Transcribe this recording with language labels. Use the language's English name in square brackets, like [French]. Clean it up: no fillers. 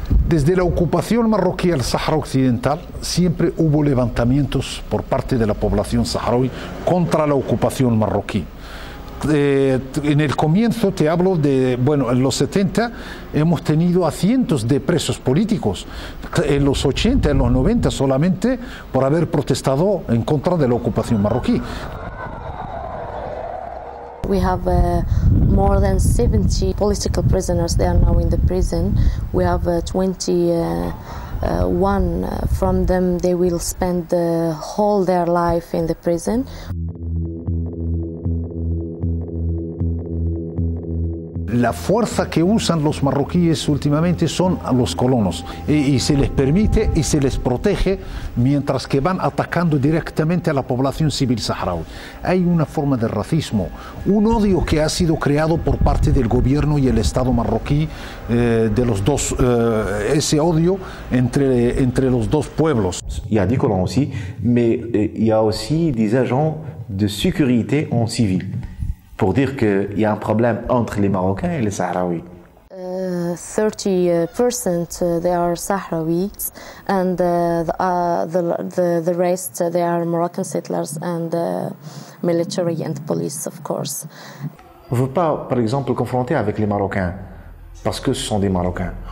[Spanish] Desde la ocupación marroquí al Sahara Occidental, siempre hubo levantamientos por parte de la población saharaui contra la ocupación marroquí. En el comienzo te hablo de, bueno, en los 70 hemos tenido a cientos de presos políticos, en los 80, en los 90 solamente por haber protestado en contra de la ocupación marroquí. [English] We have more than 70 political prisoners, they are now in the prison. We have 20 one from them, they will spend the whole their life in the prison. [Spanish] La fuerza que usan los marroquíes últimamente son a los colonos y se les permite y se les protege mientras que van atacando directamente a la población civil saharaui. Hay una forma de racismo, un odio que ha sido creado por parte del gobierno y el Estado marroquí, de los dos, ese odio entre los dos pueblos. Y a dicho colonos sí, [French] mais y a aussi des agents de sécurité en civil. Pour dire qu'il y a un problème entre les Marocains et les Sahraouis. [English] 30% they are Sahraouis and the rest they are Moroccan settlers and military and police of course. [French] On ne veut pas par exemple confronter avec les Marocains parce que ce sont des Marocains.